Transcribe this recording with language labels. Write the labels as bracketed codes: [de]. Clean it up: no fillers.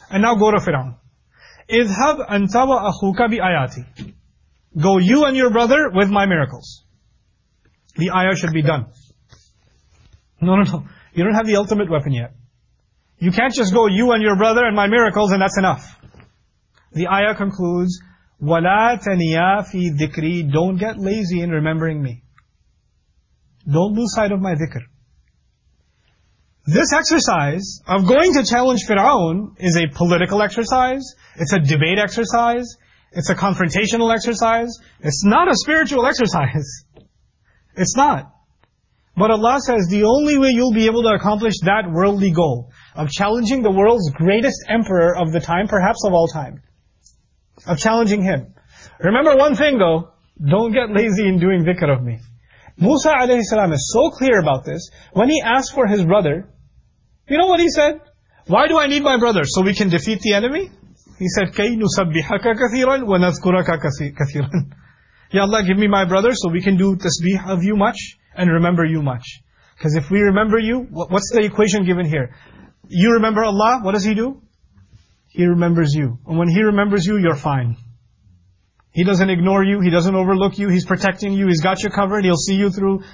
[en] And now go to Fir'aun. [ar] اِذْهَبْ أَنْتَ وَأَخُوكَ بِآيَاتِ. [en] Go you and your brother with my miracles. The ayah should be done. No. You don't have the ultimate weapon yet. You can't just go you and your brother and my miracles and that's enough. The ayah concludes, [ar] وَلَا تَنِيَا فِي ذِكْرِي. [en] Don't get lazy in remembering me. Don't lose sight of my dhikr. This exercise of going to challenge Fir'aun is a political exercise. It's a debate exercise. It's a confrontational exercise. It's not a spiritual exercise. It's not. But Allah says the only way you'll be able to accomplish that worldly goal of challenging the world's greatest emperor of the time, perhaps of all time, of challenging him. Remember one thing though, don't get lazy in doing dhikr of me. Musa alayhi salam is so clear about this, when he asked for his brother, you know what he said? Why do I need my brother? So we can defeat the enemy? He said, [ar] كَيْ نُسَبِّحَكَ كَثِيرًا وَنَذْكُرَكَ كَثِيرًا. [en] Ya Allah, give me my brother so we can do tasbih of you much and remember you much. Because if we remember you, what's the equation given here? You remember Allah, what does He do? He remembers you. And when He remembers you, you're fine. He doesn't ignore you, He doesn't overlook you, He's protecting you, He's got you covered, He'll see you through.